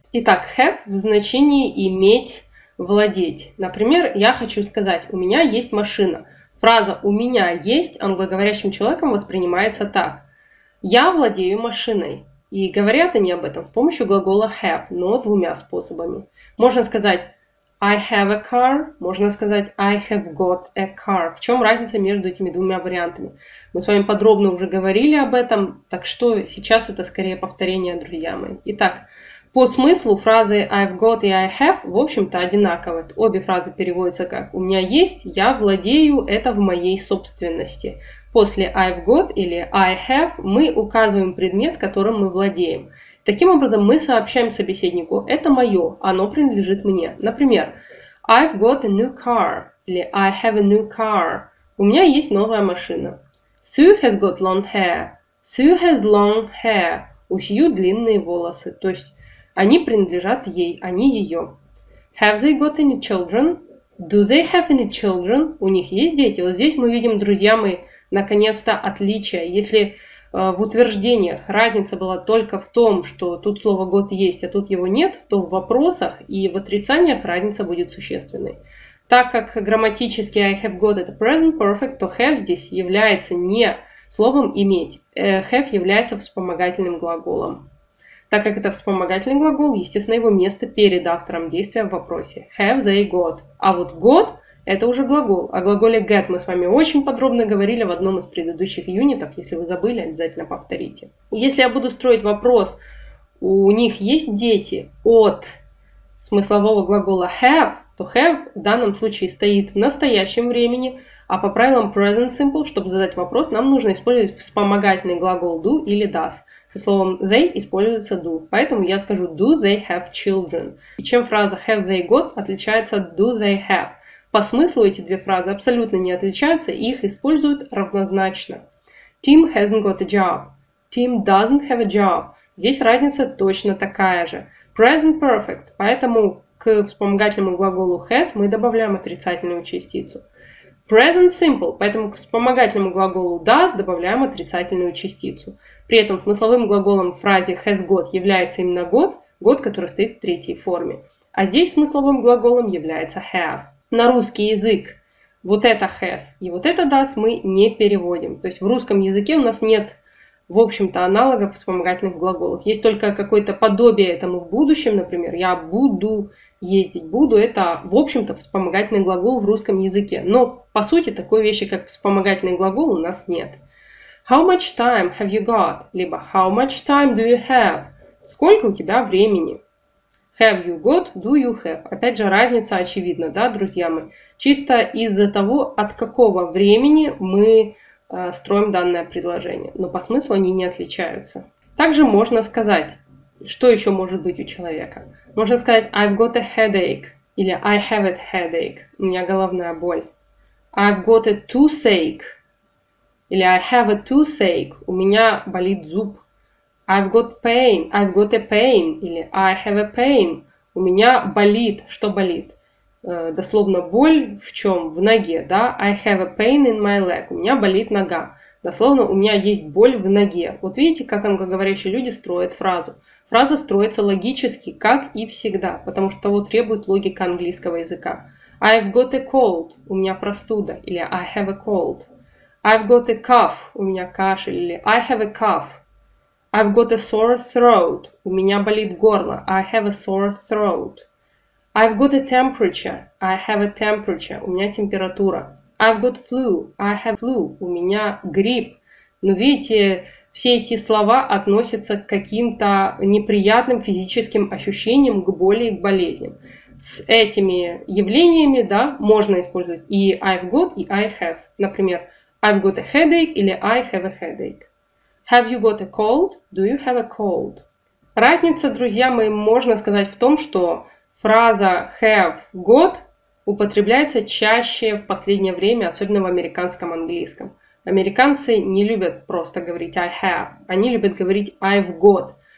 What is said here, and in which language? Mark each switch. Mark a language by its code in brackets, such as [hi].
[ru] Итак, have в значении иметь, владеть. Например, я хочу сказать: у меня есть машина. Фраза «у меня есть» англоговорящим человеком воспринимается так: я владею машиной. И говорят они об этом с помощью глагола have, но двумя способами. Можно сказать [en] I have a car, [ru] можно сказать [en] I have got a car. [ru] В чем разница между этими двумя вариантами? Мы с вами подробно уже говорили об этом, так что сейчас это скорее повторение, друзья мои. Итак, по смыслу фразы [en] I've got [ru] и [en] I have, [ru] в общем-то, одинаковы. Обе фразы переводятся как «у меня есть», «я владею», «это в моей собственности». После [en] I've got [ru] или [en] I have [ru] мы указываем предмет, которым мы владеем. Таким образом, мы сообщаем собеседнику: «это мое, оно принадлежит мне». Например, [en] I've got a new car [ru] или [en] I have a new car. [ru] «У меня есть новая машина». [en] Sue has got long hair. Sue has long hair. [ru] «У Сью длинные волосы». То есть они принадлежат ей, они ее. [en] Have they got any children? Do they have any children? [ru] У них есть дети? Вот здесь мы видим, друзья мои, наконец-то отличие. Если в утверждениях разница была только в том, что тут слово got есть, а тут его нет, то в вопросах и в отрицаниях разница будет существенной. Так как грамматически I have got это present perfect, то have здесь является не словом иметь. Have является вспомогательным глаголом. Так как это вспомогательный глагол, естественно, его место перед автором действия в вопросе. [en] Have they got? [ru] А вот got – это уже глагол. О глаголе get мы с вами очень подробно говорили в одном из предыдущих юнитов. Если вы забыли, обязательно повторите. Если я буду строить вопрос «у них есть дети?» от смыслового глагола have, то have в данном случае стоит в настоящем времени, а по правилам present simple, чтобы задать вопрос, нам нужно использовать вспомогательный глагол do или does. Со словом they используется do. Поэтому я скажу [en] do they have children. [ru] И чем фраза [en] have they got [ru] отличается от [en] do they have? [ru] По смыслу эти две фразы абсолютно не отличаются, их используют равнозначно. [en] Tim hasn't got a job. Tim doesn't have a job. [ru] Здесь разница точно такая же. [en] Present perfect. [ru] Поэтому к вспомогательному глаголу has мы добавляем отрицательную частицу. Present simple, поэтому к вспомогательному глаголу does добавляем отрицательную частицу. При этом смысловым глаголом в фразе has got является именно got, got, который стоит в третьей форме. А здесь смысловым глаголом является have. На русский язык вот это has и вот это does мы не переводим. То есть в русском языке у нас нет, в общем-то, аналогов вспомогательных глаголов. Есть только какое-то подобие этому в будущем, например, я буду ездить, буду, это, в общем-то, вспомогательный глагол в русском языке. Но, по сути, такой вещи, как вспомогательный глагол, у нас нет. [en] How much time have you got? [ru] Либо [en] how much time do you have? Сколько у тебя времени? Have you got? Do you have? [ru] Опять же, разница очевидна, да, друзья мои? Чисто из-за того, от какого времени мы строим данное предложение. Но по смыслу они не отличаются. Также можно сказать, что еще может быть у человека? Можно сказать [en] I've got a headache [ru] или [en] I have a headache. [ru] У меня головная боль. [en] I've got a toothache [ru] или [en] I have a toothache. [ru] У меня болит зуб. [en] I've got pain. I've got a pain [ru] или [en] I have a pain. [ru] У меня болит. Что болит? Дословно боль в чем? В ноге, да? [en] I have a pain in my leg. [ru] У меня болит нога. Дословно у меня есть боль в ноге. Вот видите, как англоговорящие люди строят фразу. Фраза строится логически, как и всегда, потому что того требует логика английского языка. [en] I've got a cold, [ru] у меня простуда, или [en] I have a cold. I've got a cough, [ru] у меня кашель, или [en] I have a cough. I've got a sore throat, [ru] у меня болит горло, [en] I have a sore throat. I've got a temperature, I have a temperature, [ru] у меня температура, [en] I've got flu, I have flu, [ru] у меня грипп. Но видите, все эти слова относятся к каким-то неприятным физическим ощущениям, к боли и к болезням. С этими явлениями, да, можно использовать и [en] I've got, [ru] и [en] I have. [ru] Например, [en] I've got a headache [ru] или [en] I have a headache. Have you got a cold? Do you have a cold? [ru] Разница, друзья мои, можно сказать в том, что фраза have got употребляется чаще в последнее время, особенно в американском английском. Американцы не любят просто говорить [en] I have, [ru] они любят говорить [en] I've got.